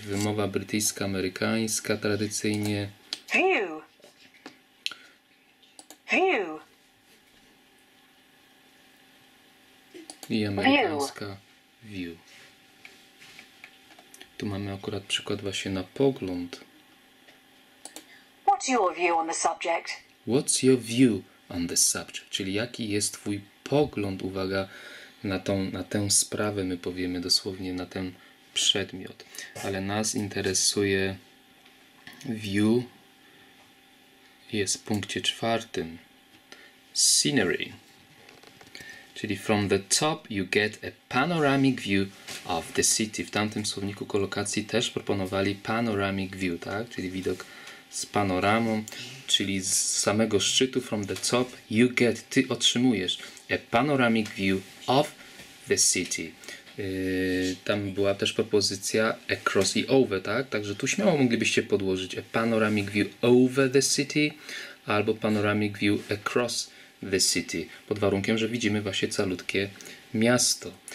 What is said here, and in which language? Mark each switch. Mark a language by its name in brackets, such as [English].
[Polish] Wymowa brytyjska, amerykańska tradycyjnie. View. [English] View. [Polish] I amerykańska view. Tu mamy akurat przykład właśnie na pogląd. [English] What's your view on the subject? What's your view on the subject? [Polish] Czyli jaki jest twój pogląd, uwaga, na tę sprawę, my powiemy dosłownie na ten przedmiot. Ale nas interesuje view, jest w punkcie czwartym. [English] Scenery. Czyli from the top you get a panoramic view of the city. [Polish] W tamtym słowniku kolokacji też proponowali panoramic view, tak? Czyli widok z panoramą, czyli z samego szczytu, [English] from the top you get, [Polish] ty otrzymujesz [English] a panoramic view of the city. [Polish] Tam była też propozycja across i over, tak? Także tu śmiało moglibyście podłożyć [English] a panoramic view over the city [Polish] albo [English] panoramic view across the city, [Polish] pod warunkiem, że widzimy właśnie calutkie miasto.